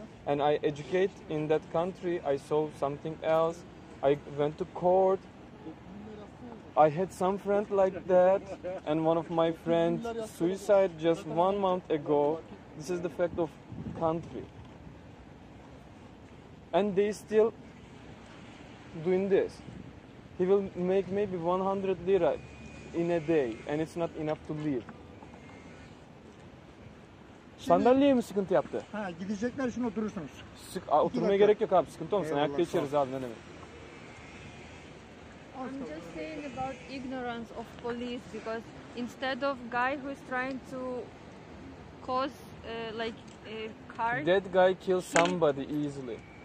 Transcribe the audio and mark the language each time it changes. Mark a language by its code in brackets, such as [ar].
[en] And I educate in that country, I saw something else, I went to court, I had some friend like that, and one of my friends suicide just 1 month ago. This is the fact of country. And they still doing this. He will make maybe 100 lira in a day, and it's not enough to live. [tr] Sandalyeye mi sıkıntı yaptı? Ha, gidecekler, şimdi oturursunuz. Oturmaya gerek yok abi, sıkıntı olmasın. Ayakta içeriz abi, ne demek. [en] I'm just saying about ignorance of police, because instead of guy who is trying to cause like a car, that guy kills somebody easily.